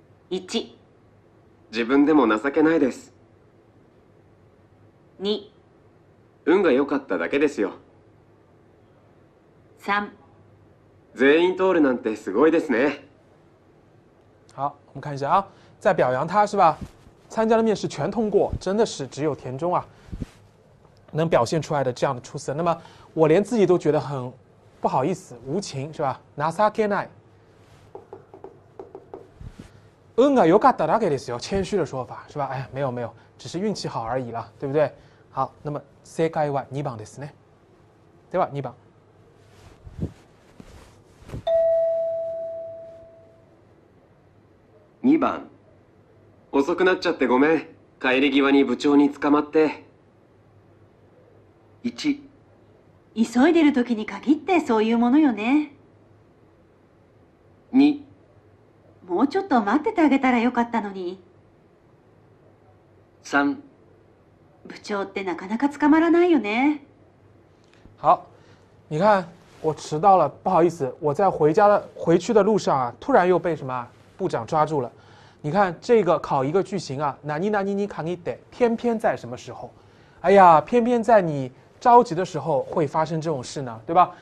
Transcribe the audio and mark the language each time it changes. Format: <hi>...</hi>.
<ja>1。自分でも情けないです。 2。運が良かっただけですよ。 3。全員通るなんてすごいですね。</ja> <zh>好、我们看一下啊，在表扬他是吧？参加的面试全通过，真的是只有田中啊。能表现出来的这样的出色，那么我连自己都觉得很不好意思、无情，是吧？</zh> <ja>情けない。運が良かっただけですよ，</ja> <zh>谦虚的说法，是吧？哎，没有没有，只是运气好而已了，对不对？好，那么</zh> <ja>正解は2番ですね。では2番。 2番。遅くなっちゃってごめん。帰り際に部長に捕まって。 1。急いでる時に限ってそういうものよね。 2。もうちょっと待っててあげたらよかったのに。 3。部長ってなかなか捕まらないよね。</ja> <zh>好，你看，我迟到了，不好意思，我在回去的路上啊，突然又被什么部长抓住了。你看这个考一个句型啊，哪尼哪尼尼卡尼得，偏偏在什么时候？哎呀，偏偏在你着急的时候会发生这种事呢，对吧？</zh>